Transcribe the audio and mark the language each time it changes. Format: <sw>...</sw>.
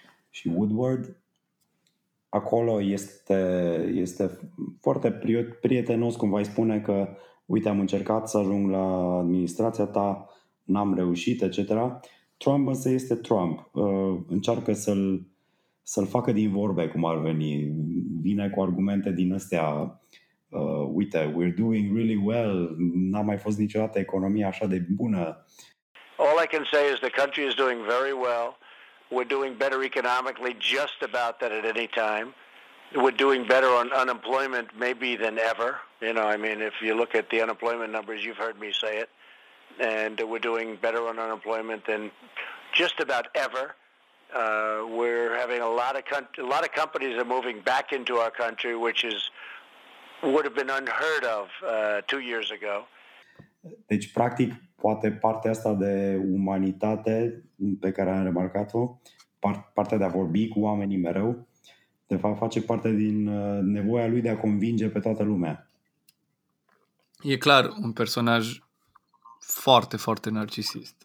<ro>Și Woodward acolo este foarte prietenos, cumva îi spune că uite, am încercat să ajung la administrația ta, n-am reușit, etc. Trump însă este Trump. Încearcă să-l facă din vorbe, cum ar veni. Vine cu argumente din astea.</ro> <en>Uite, we're doing really well.</en> <ro>N-a mai fost niciodată economia așa de bună.</ro> <en>All I can say is the country is doing very well. We're doing better economically just about that at any time. We're doing better on unemployment maybe than ever. You know, I mean, if you look at the unemployment numbers, you've heard me say it, and we're doing better on unemployment than just about ever. We're having a lot of companies are moving back into our country, which is would have been unheard of 2 years ago.</en> <ro>Deci, practic, poate partea asta de umanitate pe care am remarcat-o, partea de a vorbi cu oamenii mereu, de fapt face parte din nevoia lui de a convinge pe toată lumea. E clar, un personaj foarte, foarte narcisist.</ro>